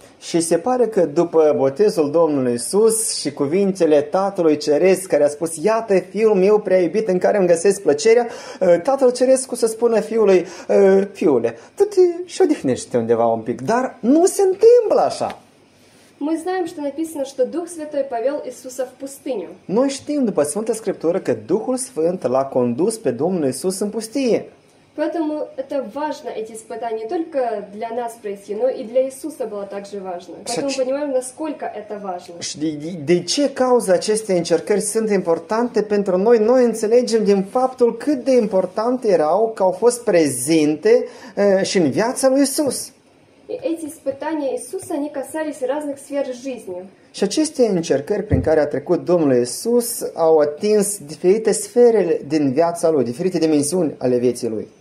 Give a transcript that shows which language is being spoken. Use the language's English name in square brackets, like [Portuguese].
[Romanian] Și se pare că după botezul Domnului Iisus și cuvintele Tatălui Ceresc care a spus, iată fiul meu prea iubit în care îmi găsesc plăcerea, Tatăl Ceresc o să spună fiului, fiule, tu te și odihnește undeva un pic, dar nu se întâmplă așa. [Russian] Мы знаем, что написано, что Дух Святой повел Иисуса в пустыню. [Romanian] Noi știm după Sfânta Scriptură că Duhul Sfânt l-a condus pe Domnul Iisus în pustie. [Russian] Поэтому это важно, эти испытания, не только для нас пройти, но и для Иисуса было также важно. Поэтому мы понимаем, насколько это важно. [Romanian] De ce cauza acestei încercări sunt importante pentru noi? Noi înțelegem din faptul cât de importante erau că au fost prezente și în viața lui Iisus. [Russian] И эти испытания Иисуса, они касались разных сфер жизни. [Romanian] Și aceste încercări prin care a trecut Domnul Iisus au atins diferite sfere din viața Lui, diferite dimensiuni ale vieții Lui.